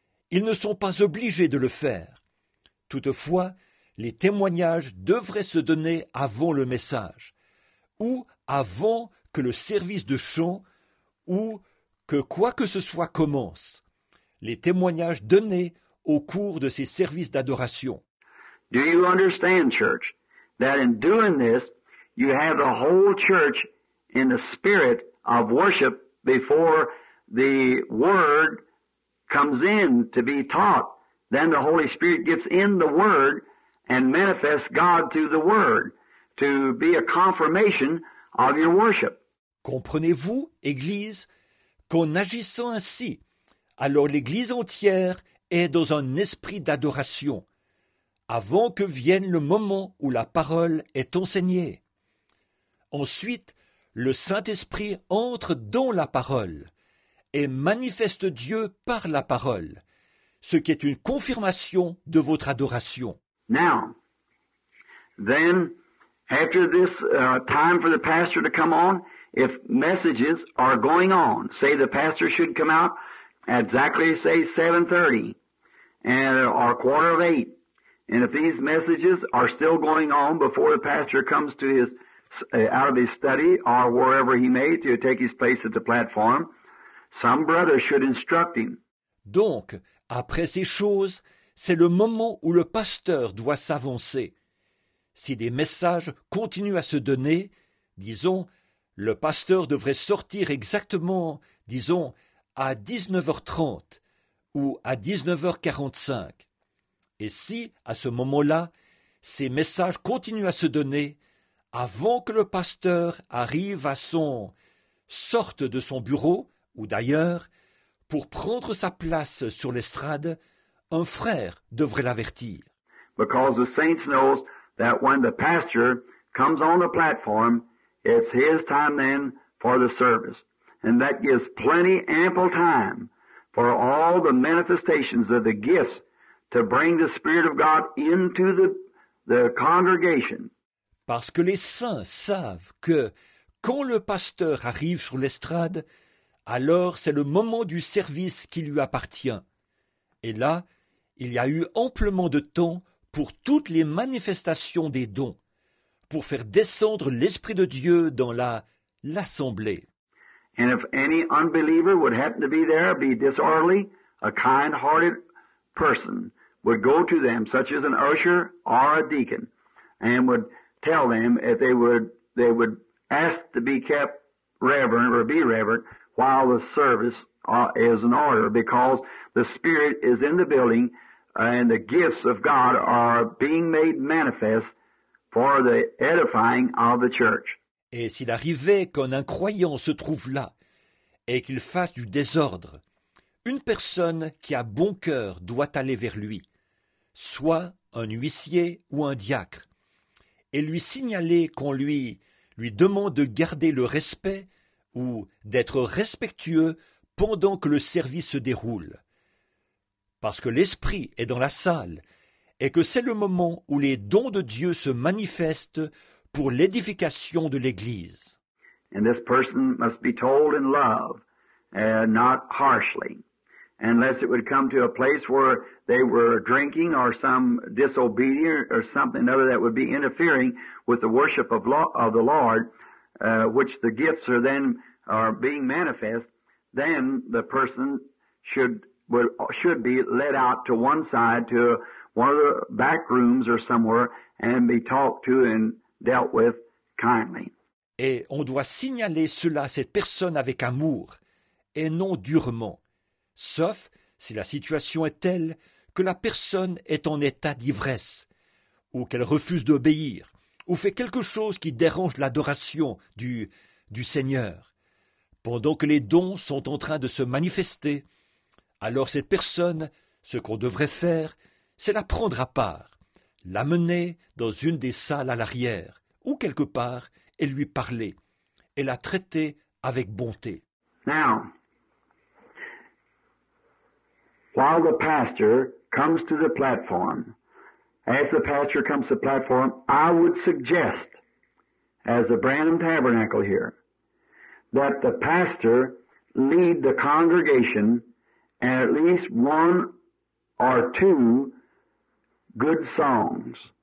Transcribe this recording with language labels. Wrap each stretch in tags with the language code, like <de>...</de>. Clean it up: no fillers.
<fr>Ils ne sont pas obligés de le faire. Toutefois, les témoignages devraient se donner avant le message, ou avant que le service de chant, ou que quoi que ce soit commence. Les témoignages donnés au cours de ces services d'adoration.</fr> <en>Do you understand, church, that in doing this, you have the whole church in the spirit of worship before the word comes in to be taught? Then the Holy Spirit gets in the word and manifests God through the word to be a confirmation of your worship.</en> <fr>Comprenez-vous, Église, qu'en agissant ainsi, alors l'Église entière est dans un esprit d'adoration, avant que vienne le moment où la parole est enseignée. Ensuite, le Saint-Esprit entre dans la parole et manifeste Dieu par la parole, ce qui est une confirmation de votre adoration.</fr> <en>Now, then, after this time for the pastor to come on, if messages are going on, say the pastor should come out at exactly, say, 7:30, and or 7:45, and if these messages are still going on before the pastor comes to his out of his study or wherever he may to take his place at the platform, some brother should instruct him.</en> <fr>Donc, après ces choses, c'est le moment où le pasteur doit s'avancer. Si des messages continuent à se donner, disons, le pasteur devrait sortir exactement, disons, à 19:30. Ou à 19:45. Et si, à ce moment-là, ces messages continuent à se donner, avant que le pasteur arrive à son sorte de son bureau, ou d'ailleurs, pour prendre sa place sur l'estrade, un frère devrait l'avertir.</fr> <en>Because the saints knows that when the pastor comes on the platform, it's his time then for the service. And that gives plenty ample time for all the manifestations of the gifts to bring the Spirit of God into the congregation.</en> <fr>Parce que les saints savent que quand le pasteur arrive sur l'estrade, alors c'est le moment du service qui lui appartient. Et là, il y a eu amplement de temps pour toutes les manifestations des dons, pour faire descendre l'Esprit de Dieu dans l'assemblée.</fr> <en>And if any unbeliever would happen to be there, be disorderly, a kind-hearted person would go to them, such as an usher or a deacon, and would tell them if they would ask to be kept reverent or be reverent while the service is in order, because the Spirit is in the building and the gifts of God are being made manifest for the edifying of the church.</en> <fr>Et s'il arrivait qu'un incroyant se trouve là et qu'il fasse du désordre, une personne qui a bon cœur doit aller vers lui, soit un huissier ou un diacre, et lui signaler qu'on lui demande de garder le respect ou d'être respectueux pendant que le service se déroule. Parce que l'esprit est dans la salle et que c'est le moment où les dons de Dieu se manifestent pour l'édification de l'Église.</fr> <en>And this person must be told in love, not harshly, unless it would come to a place where they were drinking or some disobedient or something other that would be interfering with the worship of the Lord, which the gifts are then are being manifest, then the person should be led out to one side, to one of the back rooms or somewhere, and be talked to and dealt with kindly.</en> <fr>Et on doit signaler cela à cette personne avec amour et non durement, sauf si la situation est telle que la personne est en état d'ivresse, ou qu'elle refuse d'obéir, ou fait quelque chose qui dérange l'adoration du Seigneur. Pendant que les dons sont en train de se manifester, alors cette personne, ce qu'on devrait faire, c'est la prendre à part, l'amener dans une des salles à l'arrière, ou quelque part, et lui parler, et la traiter avec bonté.</fr> <en>Now, while the pastor comes to the platform, as the pastor comes to the platform, I would suggest, as the Branham Tabernacle here, that the pastor lead the congregation and at least one or two good songs.</en>